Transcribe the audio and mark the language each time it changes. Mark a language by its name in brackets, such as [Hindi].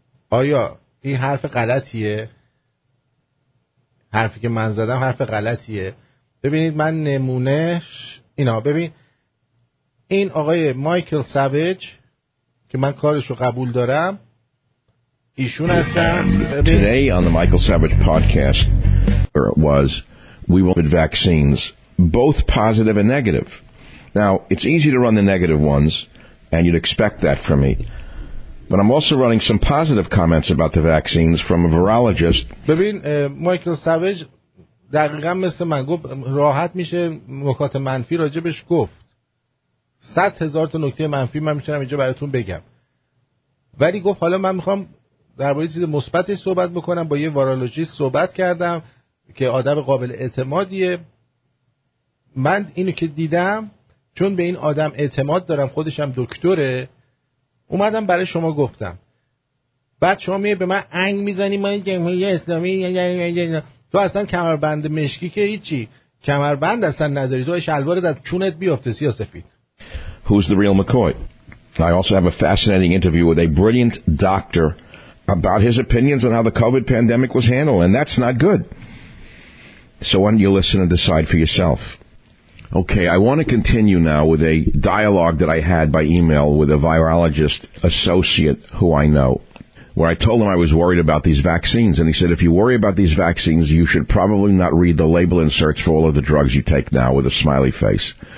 [Persian] آیا این حرف غلطیه؟ حرفی که من زدم حرف غلطیه؟ ببینید من نمونهش اینا، ببین این آقای مایکل ساویج که من کارشو قبول دارم، ایشون هستن. [English] Today on the Michael Savage podcast was we will get vaccines both positive and negative. Now, it's easy to run the negative ones and you'd expect that from me. But I'm also running some positive comments about the vaccines from a virologist. [Persian] ببین مایکل ساویج دقیقاً مثل من گفت، راحت میشه نکات منفی راجبش گفت. 100,000 تا نکته منفی من میتونم اینجا براتون بگم. ولی گفت حالا من میخوام درباره چیز مثبتی صحبت بکنم، با یه وایرولوژیست صحبت کردم که آدم قابل اعتمادیه. من اینو که دیدم، چون به این آدم اعتماد دارم، خودش هم دکتره، اومدم برای شما گفتم. بعد شما میای به من انگ میزنی، من جمهوری اسلامی تو اصلا کمربند مشکی که هیچی، کمربند اصلا نداری، تو شلوار در چونت بیافته سیاسفید. [English] Who's the real McCoy? I also have a fascinating interview with a brilliant doctor about his opinions on how the COVID pandemic was handled, and that's not good. So why don't you listen and decide for yourself? Okay, I want to continue now with a dialogue that I had by email with a virologist associate who I know, where I told him I was worried about these vaccines, and he said, if you worry about these vaccines, you should probably not read the label inserts for all of the drugs you take now, with a smiley face.